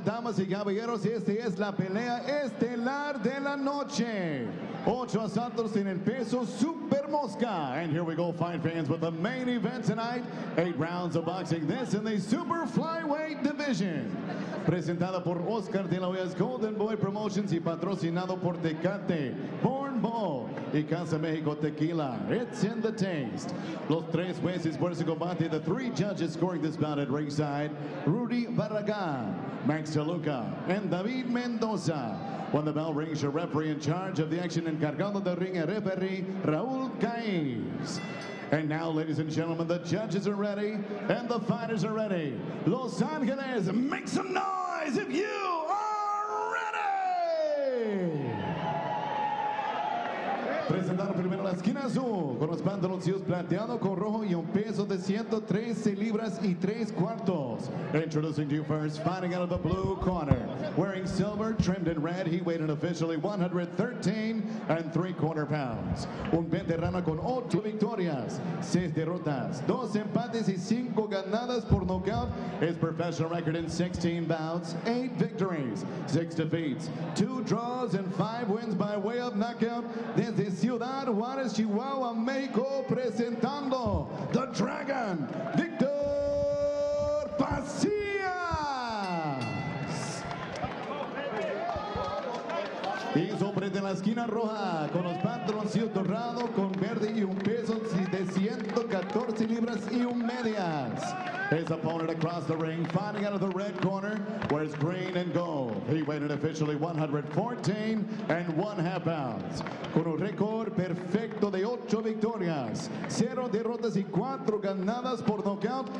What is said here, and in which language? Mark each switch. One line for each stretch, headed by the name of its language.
Spanish: Damas y caballeros, esta es la pelea estelar de la noche. Ocho asaltos en el peso, Super Mosca.
English: And here we go, fine fans, with the main event tonight. Eight rounds of boxing, this in the Super Flyweight Division.
Spanish: Presentada por
English: Oscar de la Hoya's Golden Boy Promotions
Spanish: y patrocinado por Tecate, Born Ball y Casa Mexico Tequila.
English: It's in the taste.
Spanish: Los tres jueces por ese combate,
English: the three judges scoring this bout at ringside, Rudy Barragán, Max DeLuca, and David Mendoza. When the bell rings, your referee in charge of the action,
Spanish: encargado de ring,
English: referee Raúl Caiz. And now, ladies and gentlemen, the judges are ready and the fighters are ready. Los Angeles, make some noise if you are ready!
Spanish: Presentado primero la esquina azul, con los pantaloncillos plateado con rojo y un peso de 113 libras y tres cuartos.
English: Introducing to you first, fighting out of the blue corner. Wearing silver, trimmed in red, he weighed an officially 113 and three quarter pounds.
Spanish: Un veterano con 8 victorias, 6 derrotas, 2 empates y 5 ganadas por nocaut.
English: His professional record in 16 bouts, 8 victories, 6 defeats, 2 draws and 5 wins by way of knockout.
Spanish: Desde Ciudad Juarez, Chihuahua, México, presentando
English: the Dragon,
Spanish: Victor Pasillas. Y sobre de la esquina roja, con los pantaloncillos dorados, con verde y un peso de 114 libras y un medias.
English: His opponent across the ring, fighting out of the red corner, wears green and gold. He weighed officially 114 and one half pounds.
Spanish: Con un récord perfecto de 8 victorias, 0 derrotas y 4 ganadas por nocaut.